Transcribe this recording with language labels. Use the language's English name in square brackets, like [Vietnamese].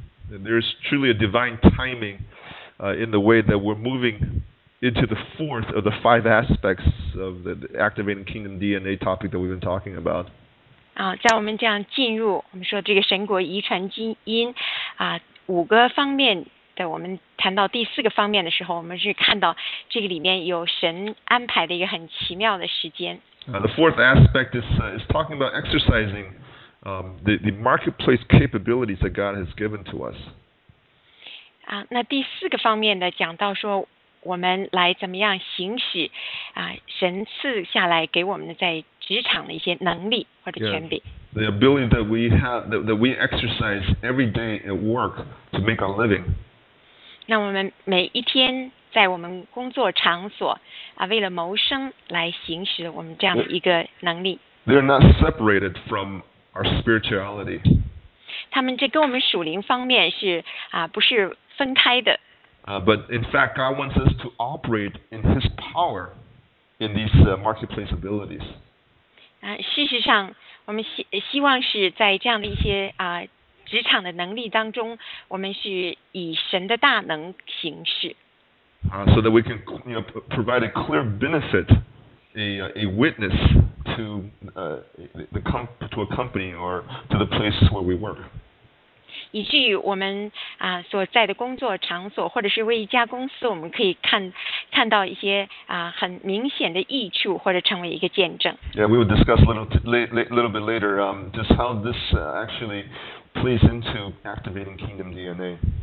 [English] There's truly a divine timing in the way that we're moving. Into the fourth of the five aspects of the activating kingdom DNA topic that we've been talking about. [Chinese] 在我们这样进入，我们说这个神国遗传基因五个方面的，我们谈到第四个方面的时候，我们是看到这个里面有神安排的一个很奇妙的时间。 [English] The fourth aspect is talking about exercising the marketplace capabilities that God has given to us. [Chinese] 那第四个方面的讲到说。我们来怎么样行使神赐下来给我们的在职场的一些能力或者权柄。 [English] Yeah, the ability that we have, that we exercise every day at work to make our living. [Chinese] 那我们每一天在我们工作场所为了谋生来行使我们这样的一个能力。 [English] They're not separated from our spirituality. [Chinese] 他们这跟我们属灵方面是不是分开的。 [English] But in fact, God wants us to operate in His power in these marketplace abilities. [Chinese] 事实上，我们希望是在这样的一些职场的能力当中，我们是以神的大能行事。 [English] So that we can, you know, provide a clear benefit, a witness to to a company or to the place where we work. [Chinese] 以至于我们所在的工作场所，或者是为一家公司，我们可以看到一些很明显的益处，或者成为一个见证。 [English] Yeah, we will discuss a little bit later, just how this actually plays into activating kingdom DNA.